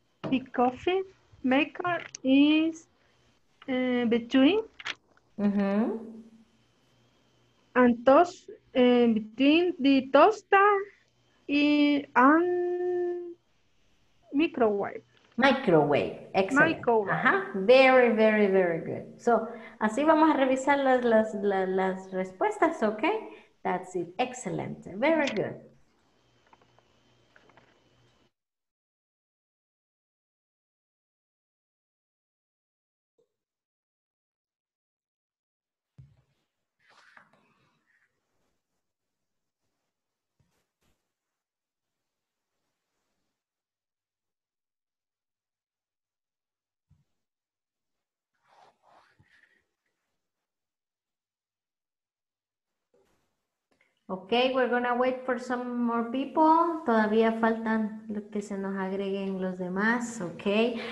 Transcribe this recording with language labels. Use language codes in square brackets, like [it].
[en] The coffee maker is between and toast between the toaster and microwave. Microwave. Excellent. Microwave. Ajá. Very, very, very good. [es] So, así vamos a revisar las respuestas, ¿ok? [en] That's it. Excellent. Very good. Okay, we're gonna wait for some more people. [es] Todavía faltan lo que se nos agreguen los demás, okay?